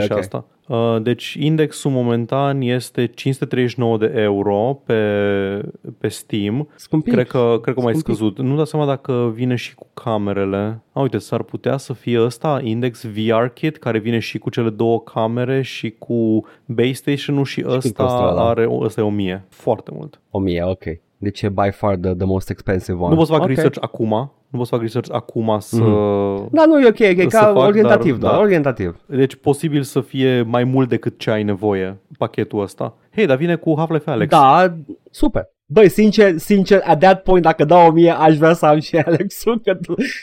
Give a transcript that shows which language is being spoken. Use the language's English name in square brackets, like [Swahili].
[Romanian] și asta. Deci indexul momentan este 539 de euro pe Steam. Scumpit. Cred că mai scăzut. Nu dau seama dacă vine și cu camerele. Uite, s-ar putea să fie ăsta, Index VR Kit, care vine și cu cele două camere și cu base station-ul și ăsta are, ăsta e 1000. Foarte mult. 1000, ok. Deci e [English] by far the most expensive one. [Romanian] Nu poți să fac research acum. Nu poți să fac research acum să... Da, nu, e ok, e ca orientativ, dar orientativ. Deci posibil să fie mai mult decât ce ai nevoie pachetul ăsta. Hei, dar vine cu Half-Life Alyx. Da, super. Băi, sincer, [English] at that point, [Romanian] dacă dau 1000, aș vrea să am și Alyx-ul, că tu...